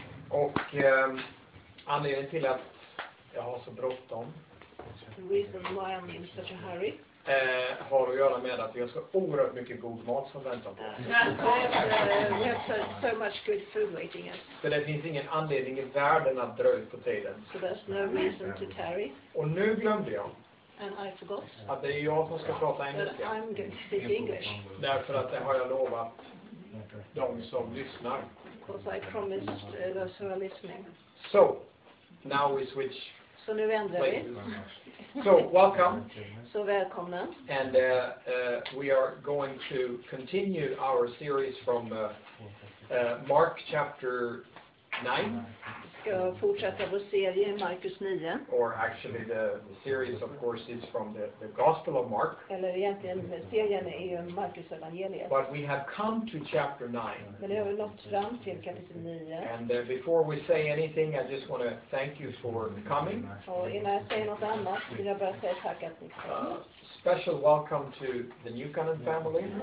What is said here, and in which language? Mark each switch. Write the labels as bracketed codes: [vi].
[sv] Och anledningen till att jag har så bråttom. [en] The reason why I'm in such a hurry. [sv] Har att göra med att vi har så oerhört mycket god mat som väntar på oss. [en] We have so much good food waiting us. [sv] Så det finns ingen anledning i världen att dra ut på tiden. [en] So there's no reason to tarry. [sv] Och nu glömde jag. [en] And I forgot. [sv] Att det är jag som ska prata engelska. [en] That I'm going to speak English. [sv] Därför att det har jag lovat. De som lyssnar. [en] Because I promised those who are listening. So, now we switch. [sv] Så nu ändrar vi. [en] So, welcome. [sv] Så välkomna. [en] And we are going to continue our series from Mark chapter 9. [sv] Ska fortsätta vår serie Markus 9. [en] Or actually the series of course is from the Gospel of Mark. [sv] Eller egentligen serien är ju Markus evangeliet. [en] But we have come to chapter 9. [sv] Men nu har vi nått fram till kapitel 9. [en] And before we say anything I just want to thank you for coming. [sv] Och innan jag säger något annat vill jag bara säga tack att ni kom. [en] Special welcome to the New Canaan family.